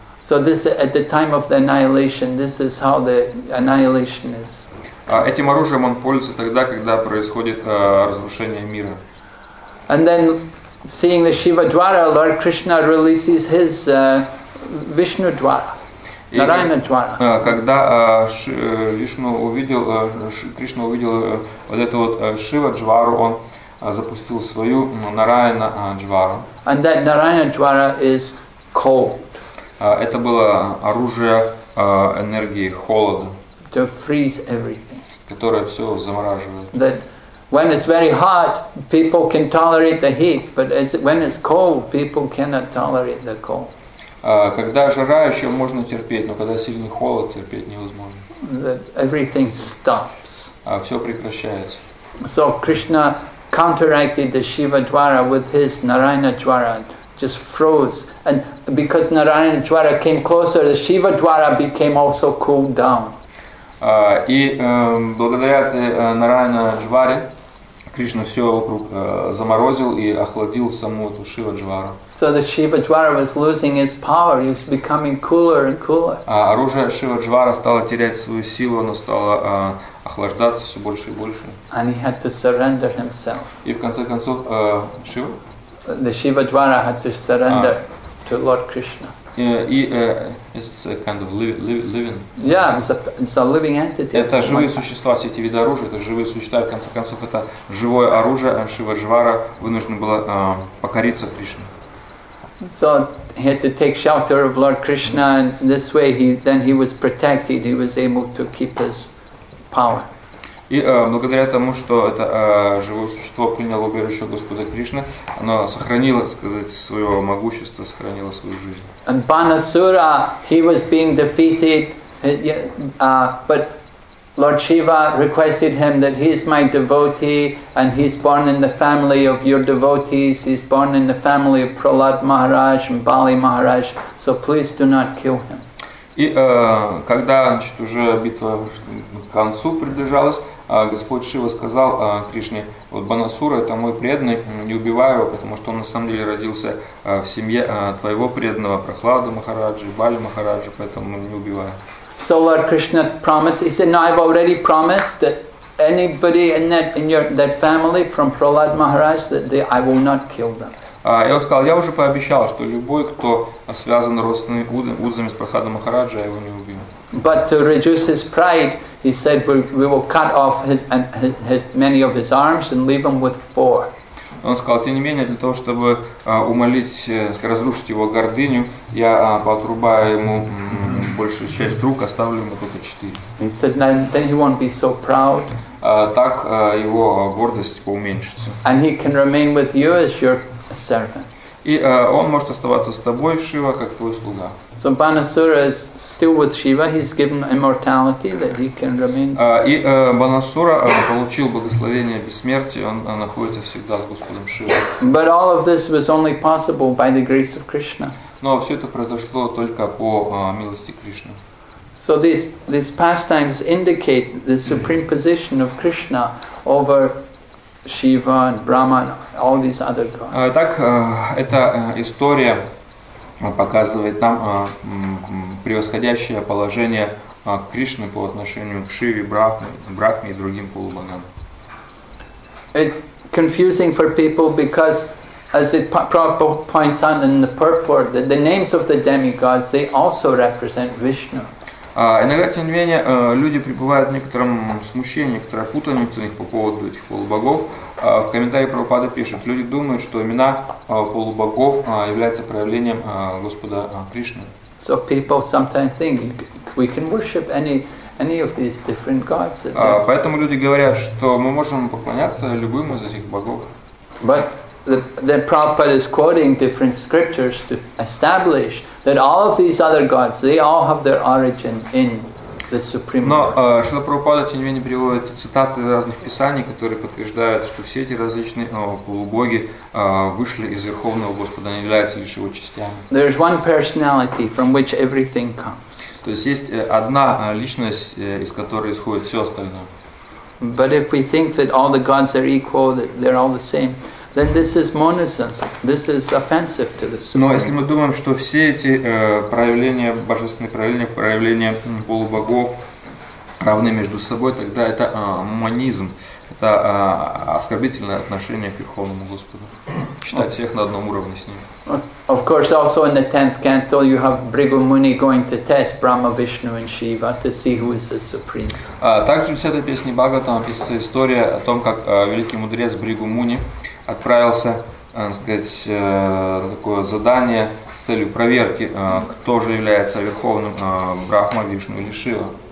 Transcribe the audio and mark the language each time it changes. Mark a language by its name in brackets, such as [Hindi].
[English] So this, at the time of the annihilation, this is how the annihilation is. [Russian] Этим оружием он пользуется тогда, когда происходит разрушение мира. [English] And then, seeing the Shiva Dwara, Lord Krishna releases his Vishnu Dwara, Narayana Dwara. [Russian] Когда Вишну увидел, Кришна увидел вот эту вот Шива Двару, он запустил свою Нараяна Двару. [English] And that Narayana Dwara is cold. [Russian] Это было оружие энергии холода. [English] To freeze everything. [Russian] Которая все замораживает. [English] That when it's very hot, people can tolerate the heat, but when it's cold, people cannot tolerate the cold. [Russian] Когда жара, еще можно терпеть, но когда сильный холод, терпеть невозможно. [English] That everything stops. [Russian] Все прекращается. [English] So Krishna counteracted the Shiva Dwara with his Narayana Dwara, just froze. And because Narayana Dwara came closer, the Shiva Dwara became also cooled down. [Russian] И благодаря Нараяна Джваре Кришна все вокруг заморозил и охладил саму эту Шива Джвару. [English] So the Shiva Dwara was losing his power. He was becoming cooler and cooler. [Russian] Оружие Шива Джвара стало терять свою силу, оно стало охлаждаться все больше и больше. [English] And he had to surrender himself. [Russian] И в конце концов Шива? [English] The Shiva Dwara had to surrender to Lord Krishna. It's a kind of living. Yeah, it's a living entity. [Russian] Это живые существа, все эти виды оружия, это живые существа. В конце концов, это живое оружие. Шива Джвара вынужден было покориться Кришне. [English] So he had to take shelter of Lord Krishna, and this way he was protected. He was able to keep his power. [Russian] И благодаря тому, что это живое существо приняло убежище Господа Кришны, оно сохранило, так сказать, свое могущество, сохранило свою жизнь. [English] And Banasura, he was being defeated, but Lord Shiva requested him that he is my devotee, and he's born in the family of your devotees, he's born in the family of Prahlad Maharaj and Bali Maharaj, so please do not kill him. [Russian] И когда, значит, уже битва к концу приближалась, Господь Шива сказал Кришне: вот Банасура — это мой преданный, не убивай его, потому что он на самом деле родился в семье твоего преданного Прахлада Махараджи, Бали Махараджи, поэтому не убивай. [English] So Lord Krishna promised, he said, no, I've already promised that anybody in that family from Prahlad Maharaj that I will not kill them. [Russian] Я вам сказал, я уже пообещал, что любой, кто связан родственными узами с Прахладом Махараджи, я его не убью. [English] But to reduce his pride, he said, we will cut off his many of his arms and leave him with four. [Russian] Он сказал, тем не менее, для того, чтобы разрушить его гордыню, я отрубаю ему большую часть рук, оставлю ему только четыре. [English] He said, then he won't be so proud. [Russian] Так его гордость поуменьшится. [English] And he can remain with you as your servant. [Russian] И он может оставаться с тобой, Шива, как твой слуга. [English] So Banasura is still with Shiva. He's given immortality that he can remain. [Russian] И Банасура получил благословение бессмертия. Он находится всегда с Господом Шивой. [English] But all of this was only possible by the grace of Krishna. [Russian] Но все это произошло только по милости Кришны. [English] So these pastimes indicate the supreme position of Krishna over Shiva and Brahma and all these other gods. [Russian] Так эта история показывает нам превосходящее положение Кришны по отношению к Шиве, Брахме и другим полубогам. [English] It's confusing for people because, as it Prabhupada points out in the purport, that the names of the demigods, they also represent Vishnu. [Russian] Иногда, тем не менее, люди пребывают в некотором смущении, некоторой путанице по поводу этих полубогов. В комментарии Прабхупада пишут, люди думают, что имена полубогов являются проявлением Господа Кришны. [English] So people sometimes think we can worship any of these different gods. [Russian] Поэтому люди говорят, что мы можем поклоняться любым из этих богов. [English] But then Prabhupada is quoting different scriptures to establish that all of these other gods, they all have their origin in the Supreme Lord. [Russian] Но Шрила Прабхупада, тем не менее, приводит цитаты разных писаний, которые подтверждают, что все эти различные полубоги вышли из Верховного Господа, они являются лишь Его частями. [English] There is one personality from which everything comes. [Russian] То есть есть одна личность, из которой исходит все остальное. [English] But if we think that all the gods are equal, that they're all the same, then this is monism. This is offensive to the Supreme. [Russian] Но если мы думаем, что все эти проявления, божественные проявления, проявления полубогов равны между собой, тогда это монизм. Это оскорбительное отношение к Верховному Господу. Считать всех на одном уровне с ним. [English] Of course, also in the 10th canto, you have Bhrigu Muni going to test Brahma, Vishnu and Shiva to see who is the Supreme. [Russian] Также в 10-й песне Бхагаватам описывается история о том, как великий мудрец Бригу Муни отправился, так сказать, на такое задание с целью проверки, кто же является верховным Брахма, Вишну или Шива.